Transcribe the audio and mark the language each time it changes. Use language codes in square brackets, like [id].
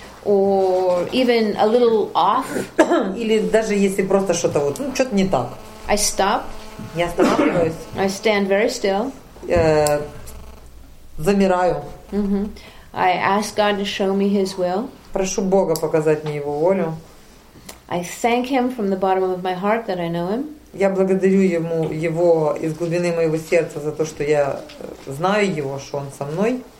[en] or even a little off, [ru] или даже если просто что-то вот, ну, что-то не так, [en] I stop. [ru] Я останавливаюсь. [en] I stand very still. [ru] Замираю. [en] Mm-hmm. I ask God to show me His will. [ru] Прошу Бога показать мне Его волю. [en] I thank Him from the bottom of my heart that I know Him. [ru] Я благодарю Ему, Его из глубины моего сердца за то, что я знаю Его, что Он со мной.